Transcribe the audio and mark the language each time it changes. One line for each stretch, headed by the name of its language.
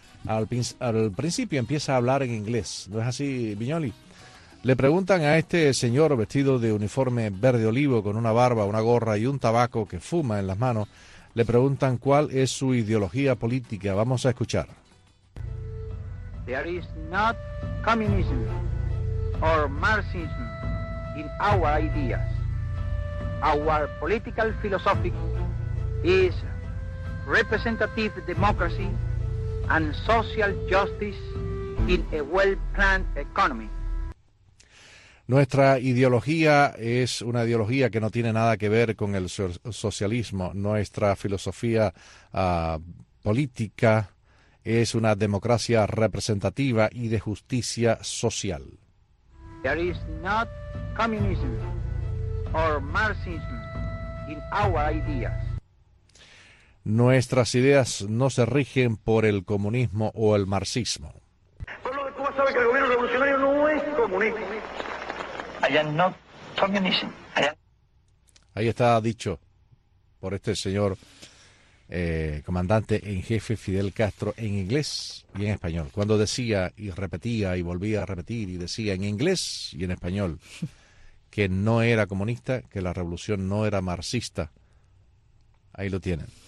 Spanish: Al principio empieza a hablar en inglés, ¿no es así, Viñoli? Le preguntan a este señor vestido de uniforme verde olivo, con una barba, una gorra y un tabaco que fuma en las manos, le preguntan cuál es su ideología política. Vamos a escuchar.
English: There is not communism or Marxism in our ideas. Our political philosophy is representative democracy and social justice in a well-planned economy.
Spanish: Nuestra ideología es una ideología que no tiene nada que ver con el socialismo. Nuestra filosofía política es una democracia representativa y de justicia social.
English: There is not communism or Marxism in our ideas.
Spanish: Nuestras ideas no se rigen por el comunismo o el marxismo. Pueblo de Cuba sabe que el gobierno revolucionario no es comunismo.
English: I am not communism.
Spanish: Ahí está dicho por este señor comandante en jefe Fidel Castro, en inglés y en español, cuando decía y repetía y volvía a repetir y decía en inglés y en español que no era comunista, que la revolución no era marxista. Ahí lo tienen.